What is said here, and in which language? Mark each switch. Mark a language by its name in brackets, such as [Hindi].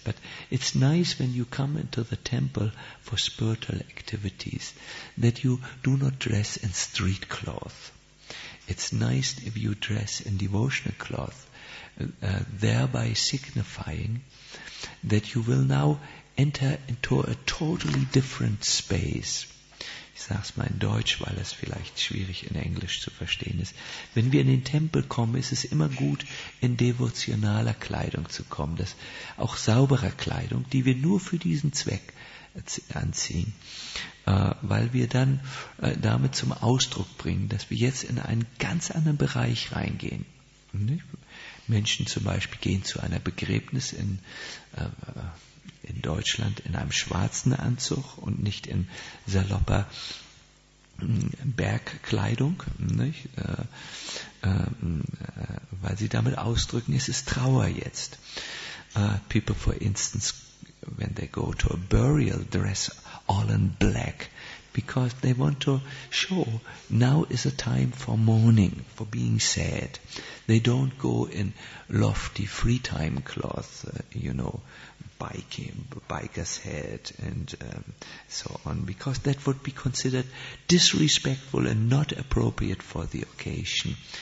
[English] But it's nice when you come into the temple for spiritual activities that you do not dress in street cloth. It's nice if you dress in devotional cloth, thereby signifying that you will now enter into a totally different space. [German] Ich sage es mal in Deutsch, weil es vielleicht schwierig in Englisch zu verstehen ist. Wenn wir in den Tempel kommen, ist es immer gut, in devotionaler Kleidung zu kommen. Das auch sauberer Kleidung, die wir nur für diesen Zweck anziehen. Weil wir dann damit zum Ausdruck bringen, dass wir jetzt in einen ganz anderen Bereich reingehen. Menschen zum Beispiel gehen zu einer Begräbnis in Deutschland in einem schwarzen Anzug und nicht in salopper Bergkleidung, nicht? Weil sie damit ausdrücken, es ist Trauer jetzt. [English] People, for instance, when they go to a burial, dress all in black, because they want to show now is a time for mourning, for being sad. They don't go in lofty free time cloth, you know, biker's hat and so on, because that would be considered disrespectful and not appropriate for the occasion.